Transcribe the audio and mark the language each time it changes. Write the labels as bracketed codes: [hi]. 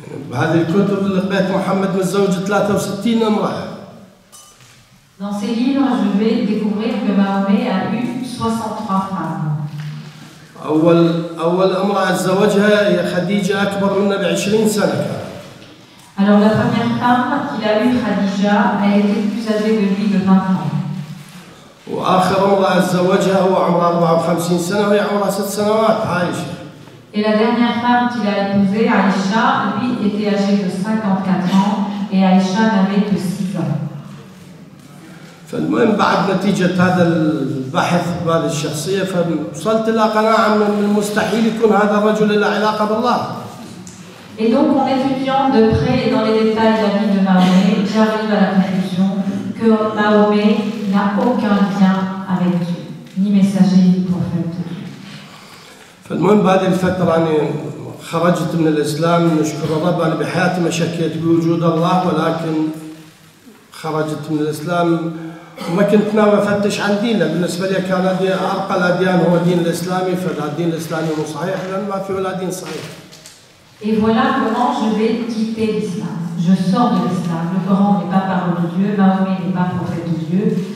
[ar] بعد الكتب لقيت محمد متزوج 63 امرأة. [fr] Dans ces livres, je vais découvrir que Mahomet a eu 63 femmes. [ar] أول امرأة تزوجها هي خديجة أكبر منه ب 20 سنة. [fr] Alors la première femme qu'il a eue, Khadija, elle était plus âgée de lui de 20 ans. [ar] وآخر امرأة تزوجها هو عمرها 54 سنة وهي عمرها 6 سنوات عايشة. [fr] Et la dernière femme qu'il a épousée, Aïcha, lui était âgée de 54 ans et Aïcha n'avait que 6 ans. [ar] فالمهم بعد نتيجة هذا البحث بهذه الشخصية فوصلت إلى قناعة من المستحيل يكون هذا الرجل له علاقة بالله. [fr] Et donc en étudiant de près et dans les détails de la vie de Mahomet, j'arrive à la conclusion que Mahomet n'a aucun lien avec Dieu, ni messager ni prophète. [ar] فالمهم بعد الفترة يعني خرجت من الإسلام نشكر الرب أنا بحياتي ما شكيت بوجود الله ولكن خرجت من الإسلام وما كنت ناوي أفتش عن دينه بالنسبة لي كان أرقى الأديان هو الدين الإسلامي فالدين الإسلامي مو صحيح لأن ما في ولا دين صحيح. [fr] Et voilà comment je vais quitter l'islam. Je sors de l'islam. Le Coran n'est pas parole de Dieu. Mahomet n'est pas prophète de Dieu.